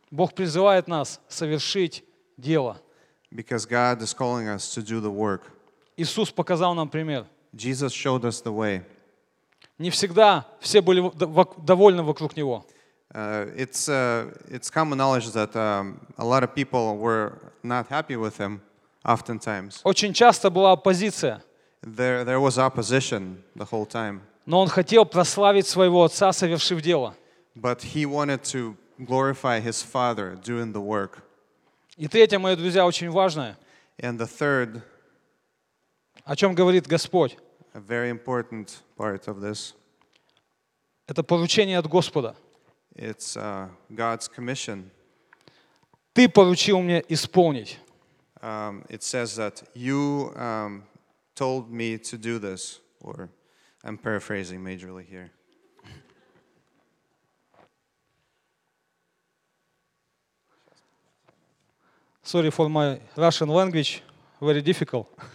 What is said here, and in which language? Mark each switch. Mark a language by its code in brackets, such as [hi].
[ru] Бог призывает нас совершить дело. [en] Because God is calling us to do the work. [ru] Иисус показал нам пример. [en] Jesus showed us the way. [ru] Не всегда все были довольны вокруг Него. [en] It's common knowledge that a lot of people were not happy with Him. Oftentimes. [ru] Очень часто была оппозиция. [en] There was opposition the whole time. [ru] Но он хотел прославить своего отца, совершив дело. [en] But he wanted to glorify his father doing the work. [ru] И третье, мои друзья, очень важное. [en] And the third. [ru] О чем говорит Господь? [en] A very important part of this. [ru] Это поручение от Господа. [en] It's God's commission. [ru] Ты поручил мне исполнить. [en] It says that you told me to do this, or I'm paraphrasing majorly here. Sorry for my Russian language, very difficult.